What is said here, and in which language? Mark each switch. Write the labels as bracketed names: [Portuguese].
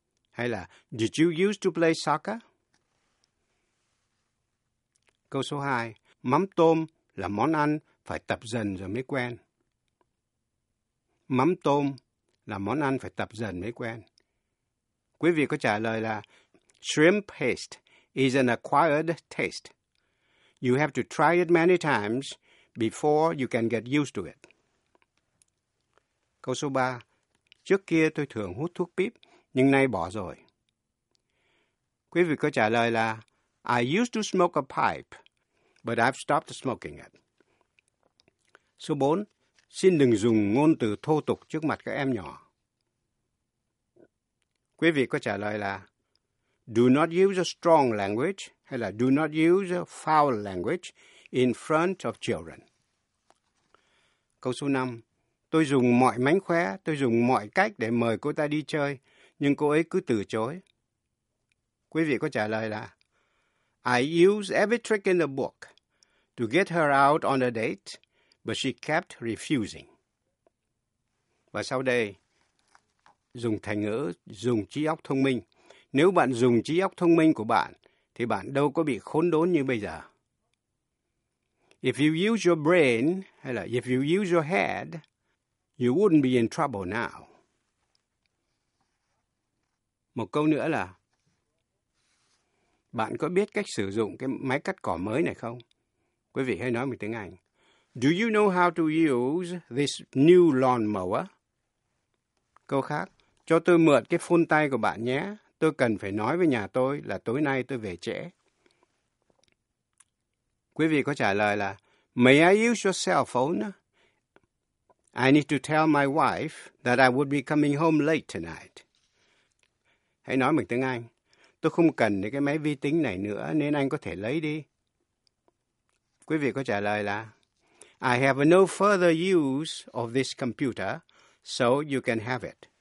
[Vietnamese] Hay là [English] Did you used to play soccer? [Vietnamese] Câu số 2. Mắm tôm là món ăn phải tập dần rồi mới quen. Mắm tôm là món ăn phải tập dần mới quen. Quý vị có trả lời là [English] Shrimp paste is an acquired taste. You have to try it many times before you can get used to it. [Vietnamese] Câu số 3. Trước kia tôi thường hút thuốc pip, nhưng nay bỏ rồi. Quý vị có trả lời là [English] I used to smoke a pipe, but I've stopped smoking it. [Vietnamese] Số 4. Xin đừng dùng ngôn từ thô tục trước mặt các em nhỏ. Quý vị có trả lời là [English] Do not use a strong language [Vietnamese] hay là [English] Do not use a foul language in front of children. [Vietnamese] Câu số 5. Tôi dùng mọi mánh khóe, tôi dùng mọi cách để mời cô ta đi chơi, nhưng cô ấy cứ từ chối. Quý vị có trả lời là [English] I use every trick in the book to get her out on a date, but she kept refusing. [Vietnamese] Và sau đây, dùng thành ngữ, dùng trí óc thông minh. Nếu bạn dùng trí óc thông minh của bạn, thì bạn đâu có bị khốn đốn như bây giờ. [English] If you use your brain, [Vietnamese] hay là [English] if you use your head, you wouldn't be in trouble now. [Vietnamese] Một câu nữa là, bạn có biết cách sử dụng cái máy cắt cỏ mới này không? Quý vị hãy nói một tiếng Anh. [English] Do you know how to use this new lawnmower? [Vietnamese] Câu khác, cho tôi mượn cái phun tay của bạn nhé. Tôi cần phải nói với nhà tôi là tối nay tôi về trễ. Quý vị có trả lời là, [English] May I use your cell phone? I need to tell my wife that I would be coming home late tonight. [Vietnamese] Hãy nói bằng tiếng Anh. Tôi không cần cái máy vi tính này nữa nên anh có thể lấy đi. Quý vị có trả lời là, [English] I have no further use of this computer, so you can have it.